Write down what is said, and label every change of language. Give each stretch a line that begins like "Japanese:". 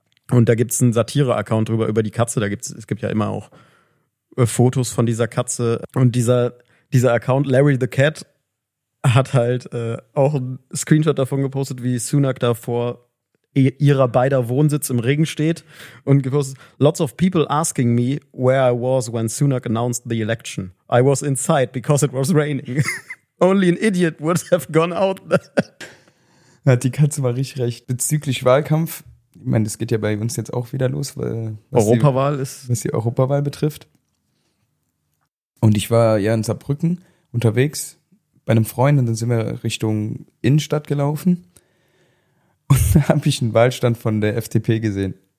German: Und da gibt es einen Satire-Account drüber, über die Katze. Es gibt ja immer auch Fotos von dieser Katze. Und dieser Account, Larry the Cat, hat halt auch ein Screenshot davon gepostet, wie Sunak da vor ihrer beider Wohnsitz im Regen steht und gepostet,
English: lots of people asking me where I was when Sunak announced the election. I was inside because it was raining. Only an idiot would have gone out there.
German: Hat die Katze mal richtig recht. Bezüglich Wahlkampf, ich meine, das geht ja bei uns jetzt auch wieder los, weil was die Europawahl betrifft. Und ich war ja in Saarbrücken unterwegs bei einem Freund und dann sind wir Richtung Innenstadt gelaufen und da habe ich einen Wahlstand von der FDP gesehen.